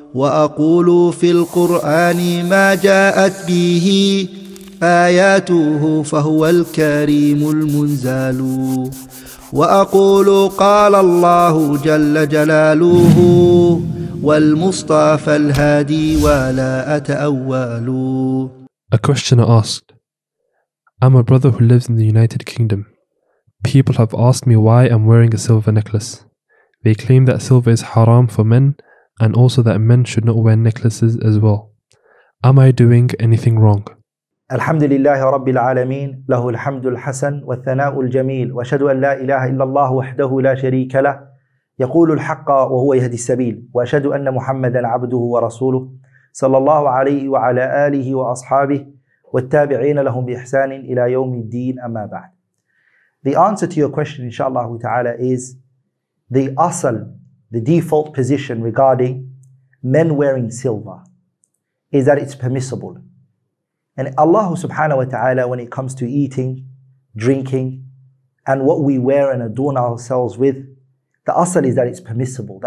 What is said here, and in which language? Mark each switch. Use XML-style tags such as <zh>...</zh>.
<ar>وأقول في القرآن ما جاءت به آياته فهو الكريم المنزال. وأقول قال الله جل جلاله والمصطفى الهادي ولا أتأول.</ar> <en>A questioner asked, I'm a brother who lives in the United Kingdom. People have asked me why I'm wearing a silver necklace. They claim that silver is haram for men and also that men should not wear necklaces as well. Am I doing anything wrong?</en> <ar>الحمد لله رب العالمين له الحمد الحسن والثناء الجميل وأشهد أن لا إله إلا الله وحده لا شريك له يقول الحق وهو يهدي السبيل وأشهد أن محمدا عبده ورسوله صلى الله عليه وعلى آله وأصحابه والتابعين لهم بإحسان إلى يوم الدين أما بعد.</ar> <en>The answer to your question inshallah ta'ala is the asal, the default position regarding men wearing silver is that it's permissible. And Allah subhanahu wa ta'ala, when it comes to eating, drinking, and what we wear and adorn ourselves with, the asal is that it's permissible.</en>